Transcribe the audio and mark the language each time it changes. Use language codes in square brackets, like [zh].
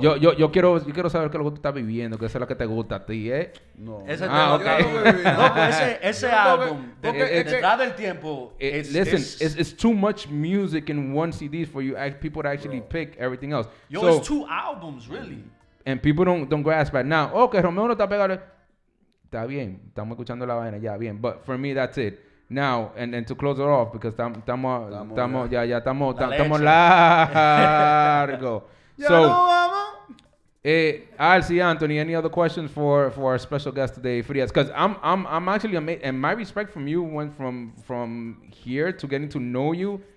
[es] Yo quiero saber qué es lo que tú estás viviendo, qué es lo que te gusta a ti, ¿eh? No. Ese álbum, detrás del tiempo, [en] it's too much music in one CD for you people to actually pick everything else. Yo, so, it's two albums, really. And people don't grasp it. Now, okay, [es] Romeo no está pegado. Está bien, estamos escuchando la vaina, ya, bien. [en] But for me, that's it. Now, and to close it off, because [es] estamos largo. [en] So, Alci, Anthony, any other questions for our special guest today, Frias? Because I'm actually amazed, and my respect from you went from here to getting to know you.